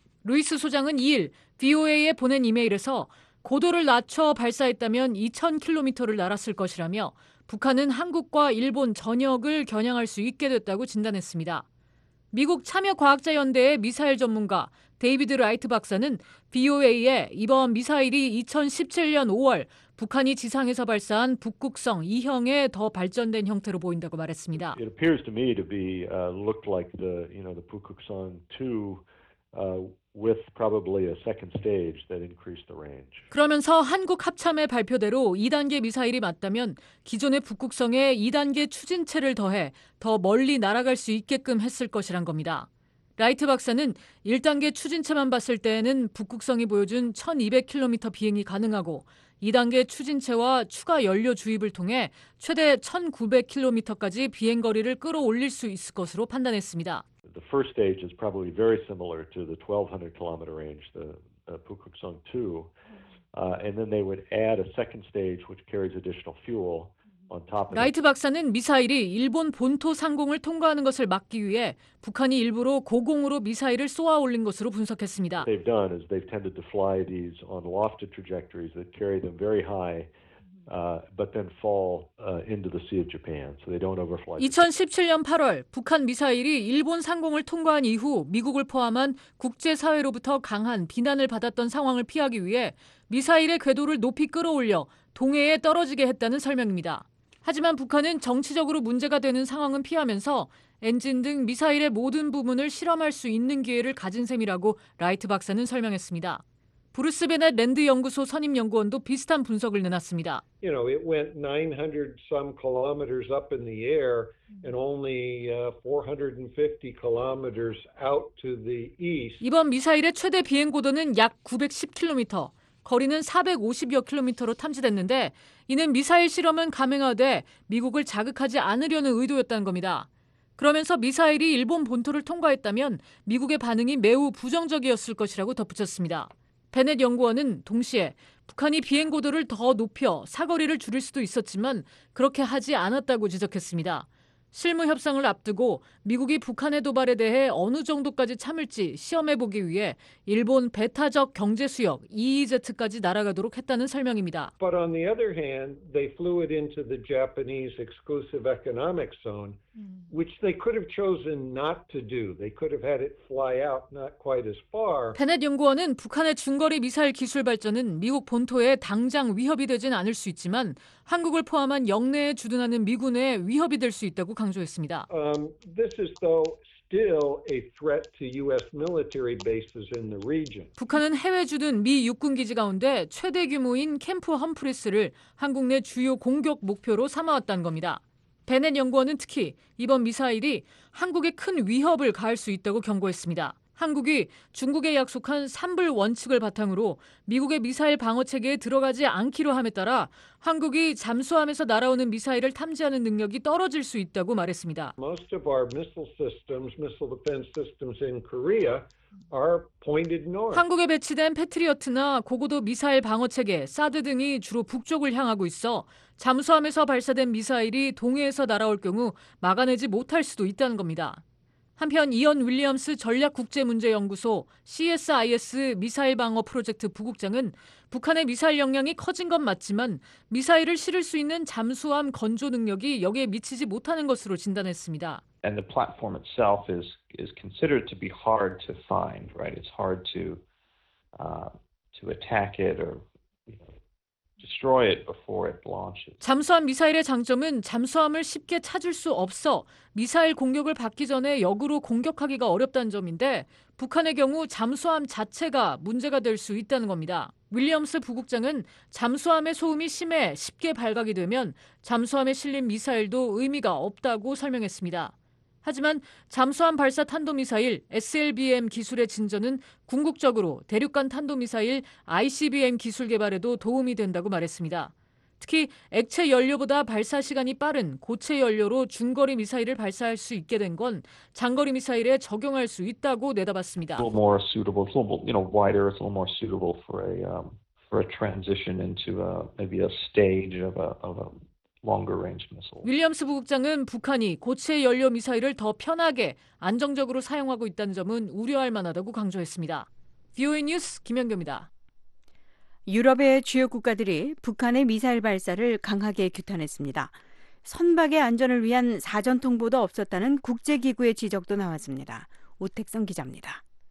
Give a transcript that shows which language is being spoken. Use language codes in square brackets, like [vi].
[ko] 루이스 소장은 2일 VOA에 보낸 이메일에서 고도를 낮춰 발사했다면 2,000km를 날았을 것이라며 북한은 한국과 일본 전역을 겨냥할 수 있게 됐다고 진단했습니다. 미국 참여과학자연대의 미사일 전문가 데이비드 라이트 박사는 VOA에 이번 미사일이 2017년 5월 북한이 지상에서 발사한 북극성 2형의 더 발전된 형태로 보인다고 말했습니다. [en] It appears to me to be looked like the, you know, the Bukguksong 2 with probably a second stage that increased the range. [ko] 그러면서 한국 합참의 발표대로 2단계 미사일이 맞다면 기존의 북극성에 2단계 추진체를 더해 더 멀리 날아갈 수 있게끔 했을 것이란 겁니다. 라이트 박사는 1단계 추진체만 봤을 때에는 북극성이 보여준 1200km 비행이 가능하고 2단계 추진체와 추가 연료 주입을 통해 최대 1900km까지 비행 거리를 끌어올릴 수 있을 것으로 판단했습니다. [en] The first stage is probably very similar to the 1200 km range, the Bukguksong 2. And then they would add a second stage which carries additional fuel. [ko] 라이트 박사는 미사일이 일본 본토 상공을 통과하는 것을 막기 위해 북한이 일부러 고공으로 미사일을 쏘아 올린 것으로 분석했습니다. 2017년 8월 북한 미사일이 일본 상공을 통과한 이후 미국을 포함한 국제사회로부터 강한 비난을 받았던 상황을 피하기 위해 미사일의 궤도를 높이 끌어올려 동해에 떨어지게 했다는 설명입니다. 하지만 북한은 정치적으로 문제가 되는 상황은 피하면서 엔진 등 미사일의 모든 부분을 실험할 수 있는 기회를 가진 셈이라고 라이트 박사는 설명했습니다. 브루스 베넷 랜드 연구소 선임 연구원도 비슷한 분석을 내놨습니다. [en] You know, it went 900 some kilometers up in the air and only 450 kilometers out to the east. [ko] 이번 미사일의 최대 비행 고도는 약 910km. 거리는 450여 킬로미터로 탐지됐는데 이는 미사일 실험은 감행하되 미국을 자극하지 않으려는 의도였다는 겁니다. 그러면서 미사일이 일본 본토를 통과했다면 미국의 반응이 매우 부정적이었을 것이라고 덧붙였습니다. 베넷 연구원은 동시에 북한이 비행 고도를 더 높여 사거리를 줄일 수도 있었지만 그렇게 하지 않았다고 지적했습니다. 실무 협상을 앞두고 미국이 북한의 도발에 대해 어느 정도까지 참을지 시험해보기 위해 일본 배타적 경제수역 EEZ까지 날아가도록 했다는 설명입니다. [en] But on the other hand, they flew it into the Japanese exclusive economic zone, which they could have chosen not to do. They could have had it fly out not quite as far. [ko] 베넷 연구원은 북한의 중거리 미사일 기술 발전은 미국 본토에 당장 위협이 되진 않을 수 있지만 한국을 포함한 영내에 주둔하는 미군에 위협이 될 수 있다고 강조했습니다. [en] This is though still a threat to US military bases in the region. [ko] 북한은 해외 주둔 미 육군 기지 가운데 최대 규모인 캠프 험프리스를 한국 내 주요 공격 목표로 삼아왔다는 겁니다. 베넷 연구원은 특히 이번 미사일이 한국에 큰 위협을 가할 수 있다고 경고했습니다. 한국이 중국에 약속한 3불 원칙을 바탕으로 미국의 미사일 방어 체계에 들어가지 않기로 함에 따라 한국이 잠수함에서 날아오는 미사일을 탐지하는 능력이 떨어질 수 있다고 말했습니다. [en] Most of our missile systems, missile defense systems in Korea are pointed north. [ko] 한국에 배치된 패트리어트나 고고도 미사일 방어 체계, 사드 등이 주로 북쪽을 향하고 있어 잠수함에서 발사된 미사일이 동해에서 날아올 경우 막아내지 못할 수도 있다는 겁니다. 한편 이언 윌리엄스 전략국제문제연구소 CSIS 미사일 방어 프로젝트 부국장은 북한의 미사일 역량이 커진 건 맞지만 미사일을 실을 수 있는 잠수함 건조 능력이 여기에 미치지 못하는 것으로 진단했습니다. [en] And the platform itself is considered to be hard to find, right? It's hard to attack it or destroy it before it launches. [ko] 잠수함 미사일의 장점은 잠수함을 쉽게 찾을 수 없어 미사일 공격을 받기 전에 역으로 공격하기가 어렵다는 점인데 북한의 경우 잠수함 자체가 문제가 될 수 있다는 겁니다. 윌리엄스 부국장은 잠수함의 소음이 심해 쉽게 발각이 되면 잠수함에 실린 미사일도 의미가 없다고 설명했습니다. 하지만 잠수함 발사 탄도미사일 SLBM 기술의 진전은 궁극적으로 대륙간 탄도미사일 ICBM 기술 개발에도 도움이 된다고 말했습니다. 특히 액체 연료보다 발사 시간이 빠른 고체 연료로 중거리 미사일을 발사할 수 있게 된 건 장거리 미사일에 적용할 수 있다고 내다봤습니다. [en] It's a little more suitable, it's a little more, you know, wider, it's a little more suitable for a transition into a, maybe a stage of a longer range missile. [ko] 윌리엄스 부국장은 북한이 고체 연료 미사일을 더 편하게 안정적으로 사용하고 있다는 점은 우려할 만하다고 강조했습니다. VOA 뉴스 김연경입니다. 유럽의 주요 국가들이 북한의 미사일 발사를 강하게 규탄했습니다. 선박의 안전을 위한 사전 통보도 없었다는 국제기구의 지적도 나왔습니다. 오택성 기자입니다.